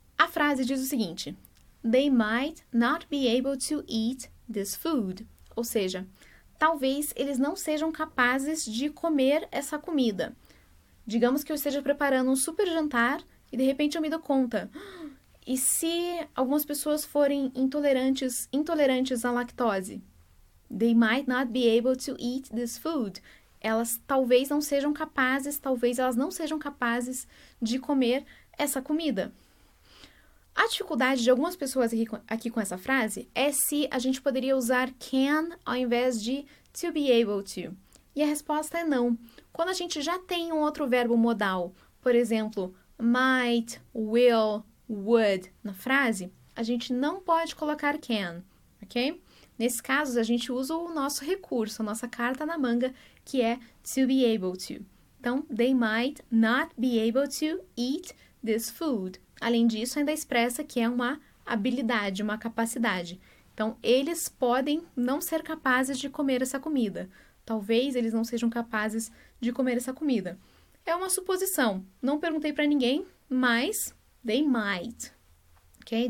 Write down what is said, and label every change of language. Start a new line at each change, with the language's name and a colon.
Portuguese: A frase diz o seguinte:
English: They might not be able to eat this food.
Portuguese: Ou seja, talvez eles não sejam capazes de comer essa comida. Digamos que eu esteja preparando um super jantar e de repente eu me dou conta. E se algumas pessoas forem intolerantes à lactose?
English: They might not be able to eat this food.
Portuguese: Elas talvez não sejam capazes, talvez elas não sejam capazes de comer essa comida. A dificuldade de algumas pessoas aqui com essa frase é se a gente poderia usar can ao invés de to be able to. E a resposta é não. Quando a gente já tem um outro verbo modal, por exemplo, might, will, would na frase, a gente não pode colocar can, ok? Nesses casos, a gente usa o nosso recurso, a nossa carta na manga, que é to be able to. Então,
English: they might not be able to eat this food.
Portuguese: Além disso, ainda expressa que é uma habilidade, uma capacidade. Então, eles podem não ser capazes de comer essa comida. Talvez eles não sejam capazes de comer essa comida. É uma suposição. Não perguntei para ninguém, mas
English: they might.
Portuguese: Okay?